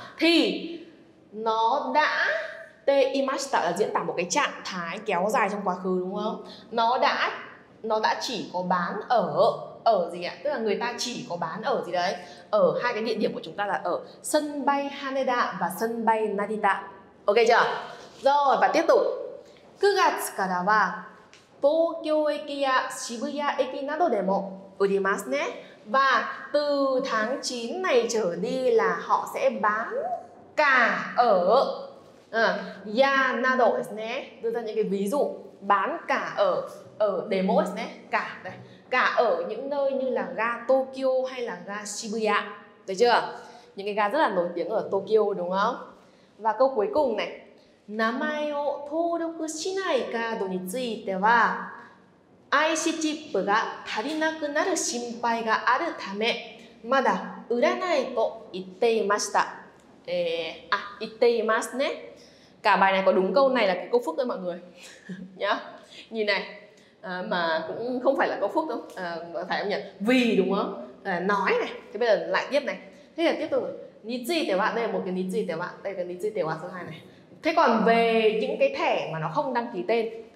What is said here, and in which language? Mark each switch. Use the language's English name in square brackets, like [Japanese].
[Vietnamese] Thì nó đã te imashita là diễn tả một cái trạng thái kéo dài trong quá khứ đúng không? Nó đã chỉ có bán ở gì ạ? Tức là người ta chỉ có bán ở gì đấy? Ở hai cái địa điểm của chúng ta là ở sân bay Haneda và sân bay Narita. Ok chưa? Rồi và tiếp tục. [Japanese] 9月からは東京駅や渋谷駅などでも売りますね。 [Vietnamese] Và từ tháng 9 này trở đi là họ sẽ bán cả ở [Japanese] ya nado ですね. [Vietnamese] Đưa ra những cái ví dụ bán cả ở [Japanese] demo ですね. [Vietnamese] Cả đây. Cả ở những nơi như là ga Tokyo hay là ga Shibuya. Được chưa? Những cái ga rất là nổi tiếng ở Tokyo đúng không? Và câu cuối cùng này. [Japanese] 名前を登録しないカードについては IC チップが足りなくなる心配があるためまだ売らないと言っていました。言っていますね。 [Vietnamese] Cả bài này có đúng câu này là cái câu phúc đấy mọi người. Nhá, nhìn này. Mà cũng không phải là câu phúc đâu. Phải không nhỉ? Vì đúng không? Nói này. Thế bây giờ lại tiếp này. Thế là tiếp tục. Nichite wa, đây là một cái nichite wa. Đây là cái nichite wa số 2 này. Thế còn về những cái thẻ mà nó không đăng ký tên.